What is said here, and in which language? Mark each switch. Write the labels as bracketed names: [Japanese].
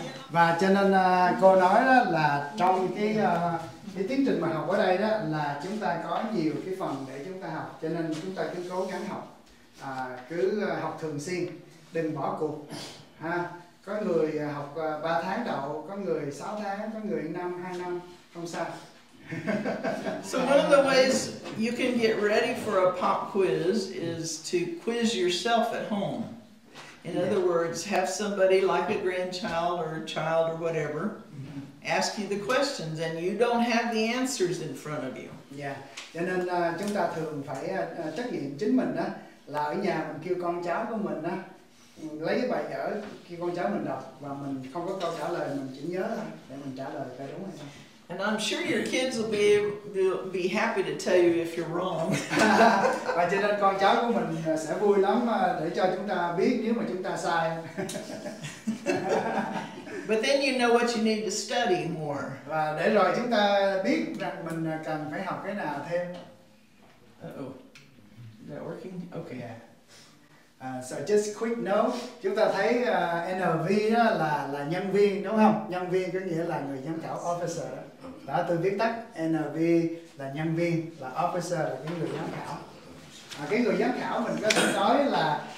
[Vietnamese] Và cho nên cô nói đó là trong cái tiến trình mà học ở đây đó là chúng ta có nhiều cái phần để chúng ta học, cho nên chúng ta cứ cố gắng học, cứ học thường xuyên, đừng bỏ cuộc ha. Có người học 3 tháng đậu, có người 6 tháng, có người 5, 2 năm, không sao. [English] So one of the ways you can get ready for a pop quiz is to quiz yourself at home. In other words, have somebody like a grandchild or a child or whatever ask you the questions, and you don't have the answers in front of you. Yeah. [Vietnamese] Cho nên chúng ta thường phải trắc nghiệm chính mình đó, là ở nhà mình kêu con cháu của mình đó lấy cái bài vở kêu con cháu mình đọc, và mình không có câu trả lời, mình chỉ nhớ để mình trả lời coi đúng hay không. [English] And I'm sure your kids will be happy to tell you if you're wrong. [Vietnamese] Và cho nên con cháu của mình sẽ vui lắm để cho chúng ta biết nếu mà chúng ta sai. [English] But then you know what you need to study more. [Vietnamese] Và để rồi chúng ta biết rằng mình cần phải học cái nào thêm. [English] Is that working? Okay. So just quick note, [Vietnamese] chúng ta thấy NV đó là nhân viên đúng không? Nhân viên có nghĩa là người giám khảo, officer. Đó, từ viết tắt NV là nhân viên, là officer, là cái người giám khảo. Cái người giám khảo mình có thể nói là